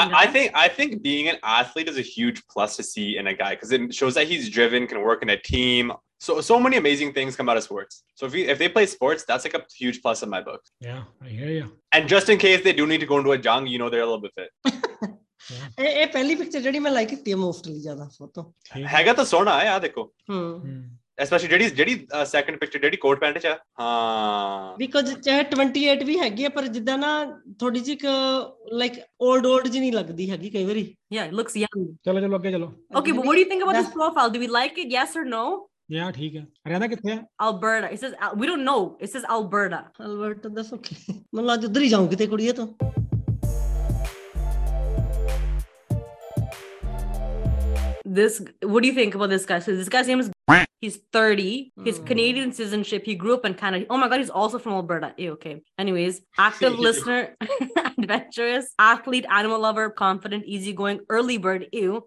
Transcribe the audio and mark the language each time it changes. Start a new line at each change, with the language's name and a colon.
English: I think being an athlete is a huge plus to see in a guy because it shows that he's driven, can work in a team. So many amazing things come out of sports. So if they play sports, that's like a huge plus in my book. Yeah, I hear you. And just in case they do need to go into a jung, you know, they're a little bit fit.
Punjabi: ਇਹ ਪਹਿਲੀ picture ਜਿਹੜੀ ਮੈਂ like ਕੀਤੀ ਹੈ mostly ਜ਼ਿਆਦਾ photo ਹੈਗਾ ਤਾਂ ਸੋਹਣਾ ਆ ਦੇਖੋ ਐਸਪੈਸ਼ਲੀ ਜਿਹੜੀ ਸੈਕੰਡ ਪਿਕਚਰ ਜਿਹੜੀ ਕੋਟ ਪੈਂਟ ਚ ਆ ਹਾਂ ਬਿਕੋਜ਼ ਚਾਹੇ 28 ਵੀ ਹੈਗੀ ਆ ਪਰ ਜਿੱਦਾਂ ਨਾ ਥੋੜੀ ਜਿਹੀ ਲਾਈਕ ਓਲਡ ਜੀ ਨਹੀਂ ਲੱਗਦੀ ਹੈਗੀ ਕਈ ਵਾਰੀ
English: yeah it looks young
Punjabi: ਚਲੋ ਅੱਗੇ ਚਲੋ
English: okay but what do you think about this profile do we like it yes or no
Punjabi: ਯਾ ਠੀਕ ਹੈ ਹਰਿਆਣਾ ਕਿੱਥੇ ਆ
English: Alberta it says we don't know it says Alberta
Punjabi: Alberta ਦੱਸ ਓਕੇ ਮੈਂ ਲੱਜ ਉਧਰ ਹੀ ਜਾਊਂ ਕਿਤੇ ਕੁੜੀ ਹੈ ਤੂੰ
English: This, what do you think about this guy? So this guy's name is He's 30. His Canadian citizenship. He grew up in Canada. Oh my God, he's also from Alberta. Yeah, okay. Anyways, active listener, adventurous, athlete, animal lover, confident, easygoing, early bird. Ew.